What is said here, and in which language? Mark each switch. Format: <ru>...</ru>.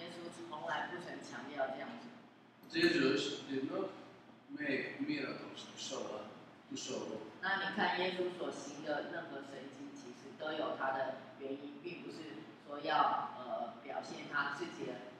<zh>耶稣从来不曾强调这样子。</zh> <en>Jesus did not make miracles to show to show.</en> <zh>那你看耶稣所行的任何神迹，其实都有他的原因，并不是说要表现他自己的。</zh>